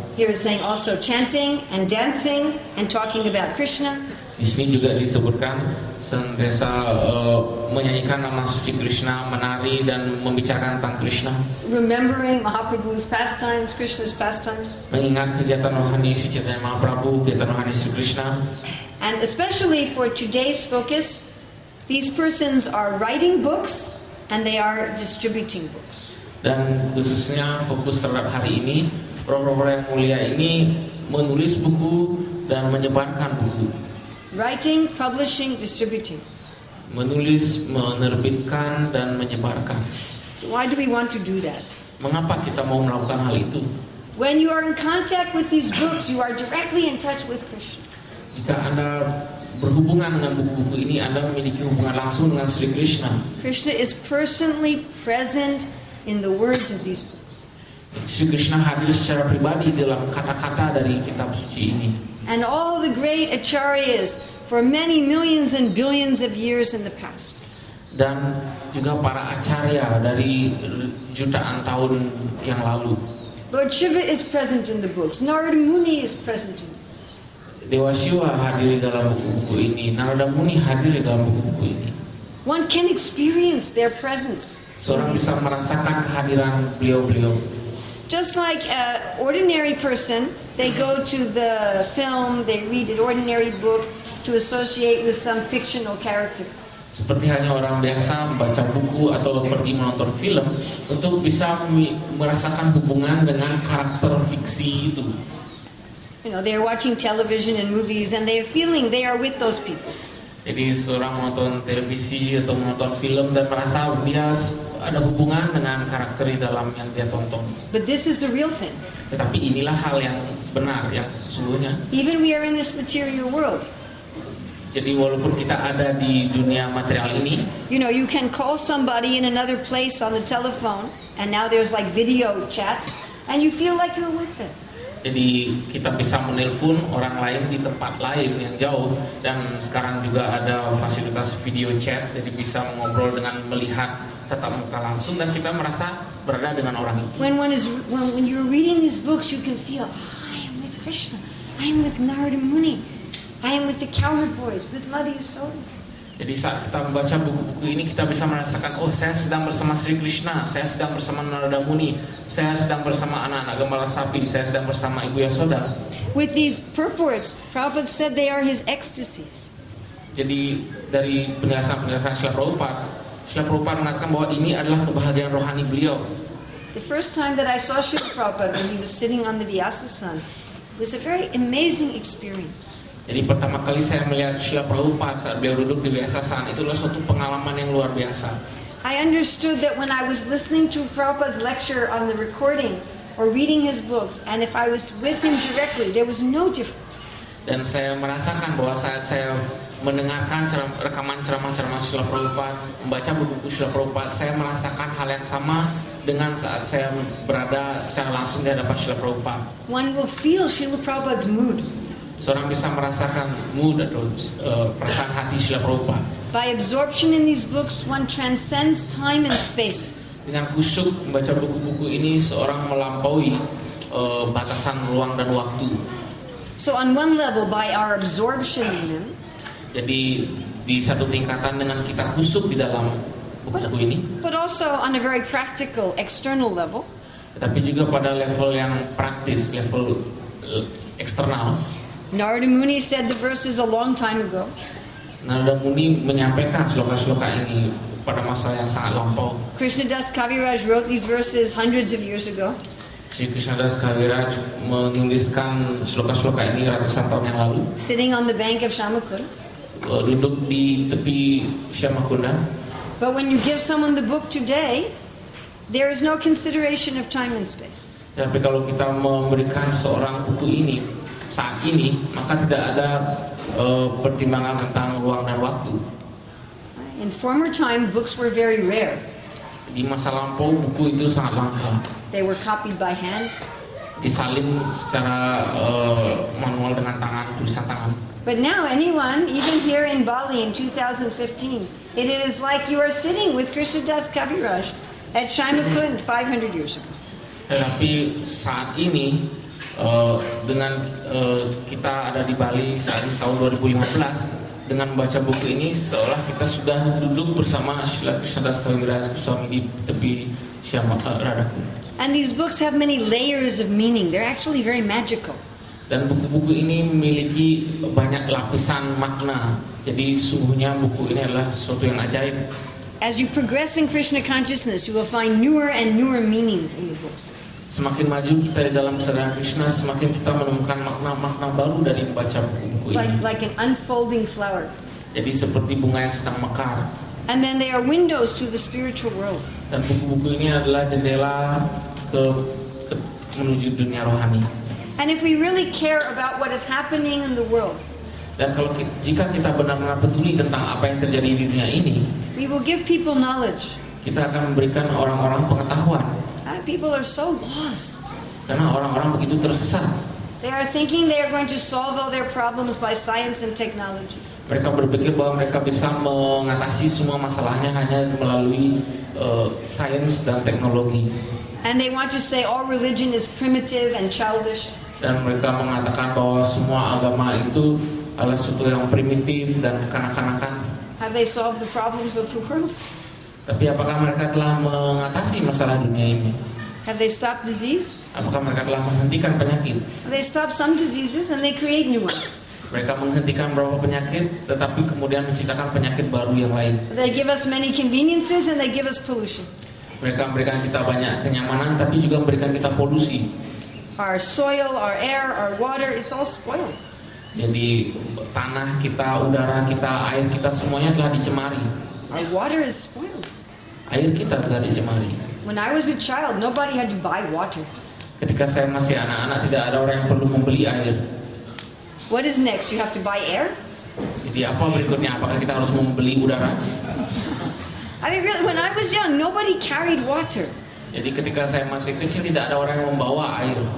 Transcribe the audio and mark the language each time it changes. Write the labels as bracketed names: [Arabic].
[English] Here is saying also chanting and dancing and talking about Krishna. [Indonesian] Di sini juga disebutkan sentiasa menyanyikan nama suci Krishna, menari dan membicarakan tentang Krishna. [English] Remembering Mahaprabhu's pastimes, Krishna's pastimes. [Indonesian] Mengingat kegiatan rohani Sri Chaitanya Mahaprabhu, kegiatan rohani Sri Krishna. [English] And especially for today's focus, these persons are writing books and they are distributing books. [Indonesian] Dan khususnya fokus terhadap hari ini, roh-roh yang mulia ini menulis buku dan menyebarkan buku. [English] Writing, publishing, distributing. [Indonesian] Menulis, menerbitkan dan menyebarkan. [English] So why do we want to do that? [Indonesian] Mengapa kita mau melakukan hal itu? [English] When you are in contact with these books, you are directly in touch with Krishna. [Indonesian] Jika Anda berhubungan dengan buku-buku ini, Anda memiliki hubungan langsung dengan Sri Krishna. [English] Krishna is personally present in the words of these books. [Indonesian] Sri Krishna hadir secara pribadi dalam kata-kata dari kitab suci ini. [English] And all the great acharyas for many millions and billions of years in the past. [Indonesian] Dan juga para acharya dari jutaan tahun yang lalu. [English] Lord Shiva is present in the books. Narada Muni is present in the books. [Indonesian] Dewa Shiva hadir dalam buku-buku ini. Narada Muni hadir dalam buku-buku ini. [English] One can experience their presence. [Indonesian] Seorang bisa merasakan kehadiran beliau-beliau. [English] Just like an ordinary person, they go to the film, they read an ordinary book to associate with some fictional character. [Indonesian] Seperti hanya orang biasa membaca buku atau pergi menonton film untuk bisa merasakan hubungan dengan karakter fiksi itu. [English] You know, they are watching television and movies, and they are feeling they are with those people. [Indonesian] Jadi seorang menonton televisi atau menonton film dan merasa dia ada hubungan dengan karakter di dalam yang dia tonton. [English] But this is the real thing. [Indonesian] Tetapi inilah hal yang benar, yang sesungguhnya. [English] Even we are in this material world. [Indonesian] Jadi walaupun kita ada di dunia material ini, [English] you know, you can call somebody in another place on the telephone, and now there's like video chat, and you feel like you're with them. [Indonesian] Jadi kita bisa menelpon orang lain di tempat lain yang jauh, dan sekarang juga ada fasilitas video chat, jadi bisa mengobrol dengan melihat tatap muka langsung, dan kita merasa berada dengan orang itu. [English] When you're reading these books, you can feel, I am with Krishna, I am with Narada Muni, I am with the Cowherd Boys, with Mother Yasoda. [Indonesian] Jadi saat kita membaca buku-buku ini, kita bisa merasakan, oh, saya sedang bersama Sri Krishna, saya sedang bersama Narada Muni, saya sedang bersama anak-anak gembala sapi, saya sedang bersama Ibu Yasoda. [English] With these purports, Prabhupada said they are his ecstasies. [Indonesian] Jadi dari penjelasan-penjelasan Srila Prabhupada, Srila Prabhupada mengatakan bahwa ini adalah kebahagiaan rohani beliau. [English] The first time that I saw Srila Prabhupada when he was sitting on the Vyasasan was a very amazing experience. [Indonesian] Jadi pertama kali saya melihat Srila Prabhupada saat beliau duduk di Vyasasan, itulah suatu pengalaman yang luar biasa. [English] I understood that when I was listening to Prabhupada's lecture on the recording or reading his books, and if I was with him directly, there was no difference. [Indonesian] Dan saya merasakan bahwa saat saya mendengarkan rekaman ceramah-ceramah Srila Prabhupada, membaca buku-buku Srila Prabhupada, saya merasakan hal yang sama dengan saat saya berada secara langsung di hadapan Srila Prabhupada. [English] One will feel Srila Prabhupada's mood. [Indonesian] Seorang bisa merasakan mood atau perasaan hati Srila Prabhupada. [English] By absorption in these books, one transcends time and space. [Indonesian] Dengan khusyuk membaca buku-buku ini, seorang melampaui batasan ruang dan waktu. [English] So on one level, by our absorption in them. [Indonesian] Jadi di satu tingkatan dengan kita khusyuk di dalam buku-buku ini. [English] But also on a very practical external level. [Indonesian] Tetapi juga pada level yang praktis, level eksternal. [English] Narada Muni said the verses a long time ago. [Indonesian] Narada Muni menyampaikan sloka-sloka ini pada masa yang sangat lampau. [English] Krishnadas Kaviraj wrote these verses hundreds of years ago. [Indonesian] Si Krishnadas Kaviraj menuliskan sloka-sloka ini ratusan tahun yang lalu. [English] Sitting on the bank of Shyamakunda. [Indonesian] Duduk di tepi Shyamakunda. [English] But when you give someone the book today, there is no consideration of time and space. [Indonesian] Tapi kalau kita memberikan seorang buku ini saat ini, maka tidak ada pertimbangan tentang ruang dan waktu. [English] In former time, books were very rare. [Indonesian] Di masa lampau, buku itu sangat langka. [English] They were copied by hand. [Indonesian] Disalin secara manual dengan tangan, tulisan tangan. [English] But now, anyone, even here in Bali in 2015, it is like you are sitting with Krishnadas Kaviraj at Shyamakund 500 years ago. [Indonesian] Tetapi saat ini, dengan kita ada di Bali saat ini tahun 2015, dengan membaca buku ini seolah kita sudah duduk bersama Srila Krishnadas Kaviraj Goswami di tepi Radhakund. [English] And these books have many layers of meaning. They're actually very magical. [Indonesian] Dan buku-buku ini memiliki banyak lapisan makna. Jadi sungguhnya buku ini adalah sesuatu yang ajaib. [English] As you progress in Krishna consciousness, you will find newer and newer meanings in the books. [Indonesian] Semakin maju kita di dalam kesadaran Krishna, semakin kita menemukan makna-makna baru dari membaca buku-buku ini. [English] Like an unfolding flower. [Indonesian] Jadi seperti bunga yang sedang mekar. [English] And then they are windows to the spiritual world. [Indonesian] Dan buku-buku ini adalah jendela ke menuju dunia rohani. [English] And if we really care about what is happening in the world. [Indonesian] Dan kalau jika kita benar-benar peduli tentang apa yang terjadi di dunia ini, [English] we will give people knowledge. [Indonesian] Kita akan memberikan orang-orang pengetahuan. [English] People are so lost. [Indonesian] Karena orang-orang begitu tersesat. [English] They are thinking they are going to solve all their problems by science and technology. [Indonesian] Mereka berpikir bahwa mereka bisa mengatasi semua masalahnya hanya melalui science dan teknologi. [English] And they want to say all religion is primitive and childish. [Indonesian] Dan mereka mengatakan bahwa semua agama itu adalah sesuatu yang primitif dan kekanak-kanakan. [English] Have they solved the problems of the world? [Indonesian] Tapi apakah mereka telah mengatasi masalah dunia ini? [English] Have they stopped disease? [Indonesian] Apakah mereka telah menghentikan penyakit? [English] They stop some diseases and they create new ones. [Indonesian] Mereka menghentikan beberapa penyakit, tetapi kemudian menciptakan penyakit baru yang lain. [English] They give us many conveniences and they give us pollution. [Indonesian] Mereka memberikan kita banyak kenyamanan, tapi juga memberikan kita polusi. [English] Our soil, our air, our water, it's all spoiled. [Indonesian] Jadi tanah kita, udara kita, air kita, semuanya telah dicemari. [English] Our water is spoiled. [Indonesian] air kita tidak dicemari. [English] When I was a child, nobody had to buy water. [Indonesian] Ketika saya masih anak-anak, tidak ada orang yang perlu membeli air. [English] What is next? You have to buy air? [Indonesian] Jadi apa berikutnya? Apakah kita harus membeli udara? [English] I mean, really, when I was young, nobody carried water. [Indonesian] Jadi ketika saya masih kecil, tidak ada orang yang membawa air.